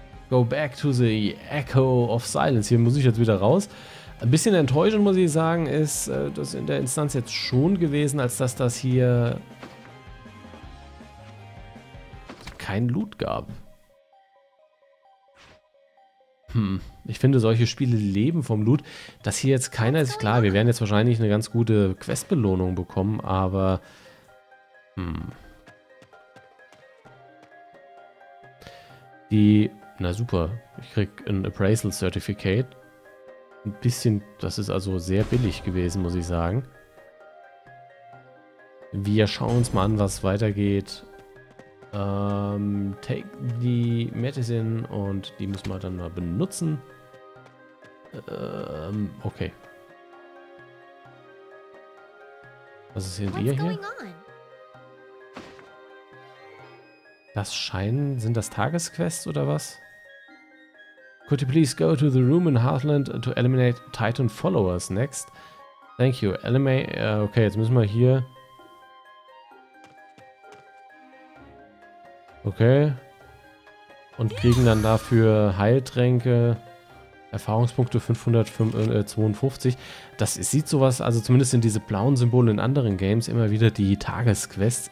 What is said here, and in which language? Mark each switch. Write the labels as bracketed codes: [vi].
[en] Go back to the Echo of Silence. [de] Hier muss ich jetzt wieder raus. Ein bisschen enttäuschend, muss ich sagen, ist das in der Instanz jetzt schon gewesen, als dass das hier kein Loot gab. Ich finde, solche Spiele leben vom Loot. Dass hier jetzt keiner ist, klar, wir werden jetzt wahrscheinlich eine ganz gute Questbelohnung bekommen, aber die, na super, ich krieg ein Appraisal Certificate. Ein bisschen, das ist also sehr billig gewesen, muss ich sagen. Wir schauen uns mal an, was weitergeht. Take die Medicine und die müssen wir dann mal benutzen. Okay. Was ist denn hier? Das scheinen, sind das Tagesquests oder was? [en] Could you please go to the room in Heartland to eliminate Titan followers next? Thank you. [de] Okay, jetzt müssen wir hier. Okay. Und kriegen dann dafür Heiltränke, Erfahrungspunkte 552. Das sieht sowas, also zumindest sind diese blauen Symbole in anderen Games immer wieder die Tagesquests.